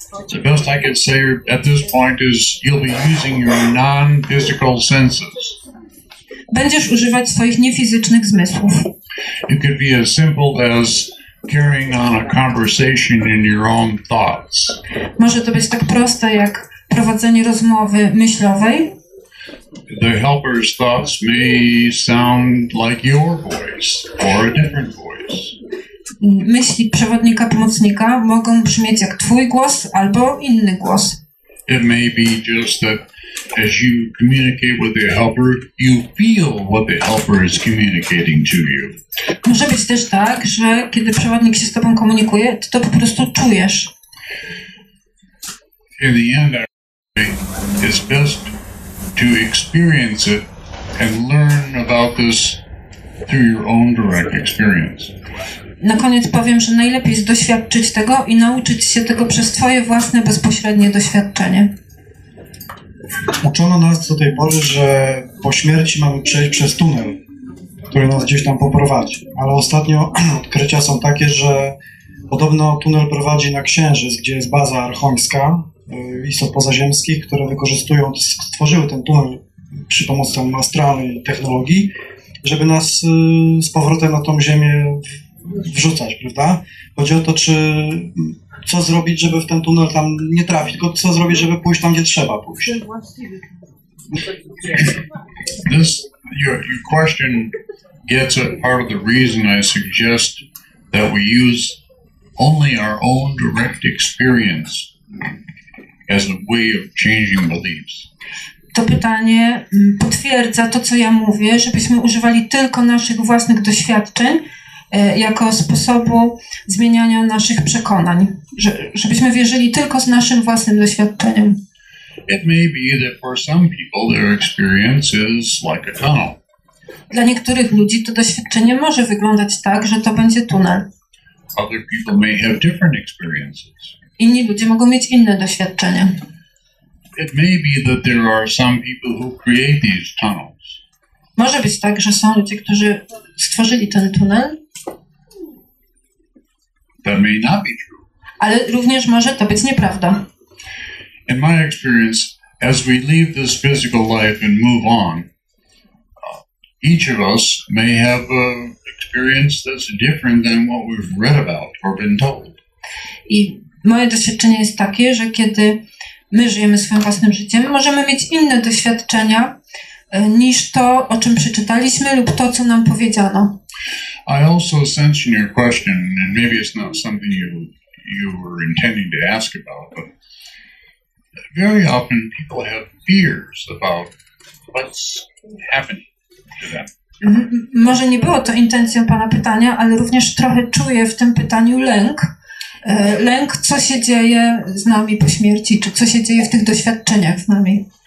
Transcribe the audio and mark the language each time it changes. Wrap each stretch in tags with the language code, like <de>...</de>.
<en>The best I could say at this point is you'll be using your non-physical senses.</en> <pl>Będziesz używać swoich niefizycznych zmysłów.</pl> <en>It could be as simple as carrying on a conversation in your own thoughts.</en> <pl>Może to być tak proste jak prowadzenie rozmowy myślowej.</pl> <en>The helper's thoughts may sound like your voice or a different voice.</en> <pl>Myśli przewodnika, pomocnika mogą brzmieć jak twój głos albo inny głos.</pl> <en>It may be just that as you communicate with the helper, you feel what the helper is communicating to you.</en> <pl>Może być też tak, że kiedy przewodnik się z tobą komunikuje, ty to po prostu czujesz.</pl> <en>In the end, I think it's best to experience it and learn about this through your own direct experience.</en> <pl>Na koniec powiem, że najlepiej jest doświadczyć tego i nauczyć się tego przez twoje własne bezpośrednie doświadczenie. Uczono nas do tej pory, że po śmierci mamy przejść przez tunel, który nas gdzieś tam poprowadzi. Ale ostatnio odkrycia są takie, że podobno tunel prowadzi na Księżyc, gdzie jest baza archońska istot pozaziemskich, które wykorzystują, stworzyły ten tunel przy pomocy tam astralnej technologii, żeby nas z powrotem na tą ziemię wrzucać, prawda? Chodzi o to, czy co zrobić, żeby w ten tunel tam nie trafić, tylko co zrobić, żeby pójść tam, gdzie trzeba pójść.</pl> <en>This, your question gets at part of the reason I suggest that we use only our own direct experience as a way of changing beliefs.</en> <pl>To pytanie potwierdza to, co ja mówię, żebyśmy używali tylko naszych własnych doświadczeń jako sposobu zmieniania naszych przekonań, żebyśmy wierzyli tylko z naszym własnym doświadczeniem.</pl> <en>It may be that for some people their experience is like a tunnel.</en> <pl>Dla niektórych ludzi to doświadczenie może wyglądać tak, że to będzie tunel.</pl> <en>Other people may have different experiences.</en> <pl>Inni ludzie mogą mieć inne doświadczenie.</pl> <en>It may be that there are some people who create these tunnels.</en> <pl>Może być tak, że są ludzie, którzy stworzyli ten tunel.</pl> <en>That may not be true.</en> <pl>Ale również może to być nieprawda.</pl> <en>In my experience, as we leave this physical life and move on, each of us may have an experience that's different than what we've read about or been told.</en> <pl>I moje doświadczenie jest takie, że kiedy my żyjemy swoim własnym życiem, możemy mieć inne doświadczenia niż to, o czym przeczytaliśmy lub to, co nam powiedziano.</pl> <en>I also sense in your question, and maybe it's not something you were intending to ask about, but very often people have fears about what's happening to them.</en> <pl>Może nie było to intencją pana pytania, ale również trochę czuję w tym pytaniu lęk. Lęk, co się dzieje z nami po śmierci, czy co się dzieje w tych doświadczeniach z nami.</pl>